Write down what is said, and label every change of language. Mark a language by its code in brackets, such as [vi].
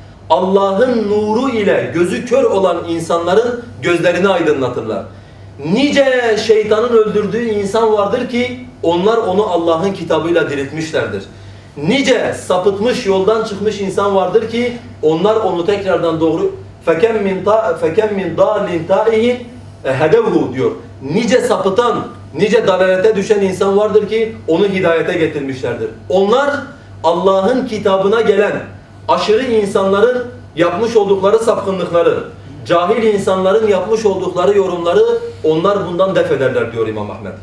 [tr] Allah'ın nuru ile gözü kör olan insanların gözlerini aydınlatırlar. Nice şeytanın öldürdüğü insan vardır ki onlar onu Allah'ın kitabıyla diriltmişlerdir. Nice sapıtmış, yoldan çıkmış insan vardır ki onlar onu tekrardan doğru... [ar] فَكَمْ مِنْ دَالٍ تَائِهِنْ هَدَوْهُ [tr] diyor. Nice sapıtan, nice dalalete düşen insan vardır ki onu hidayete getirmişlerdir. Onlar Allah'ın kitabına gelen aşırı insanların yapmış oldukları sapkınlıkları, cahil insanların yapmış oldukları yorumları onlar bundan def ederler diyor İmam Ahmet.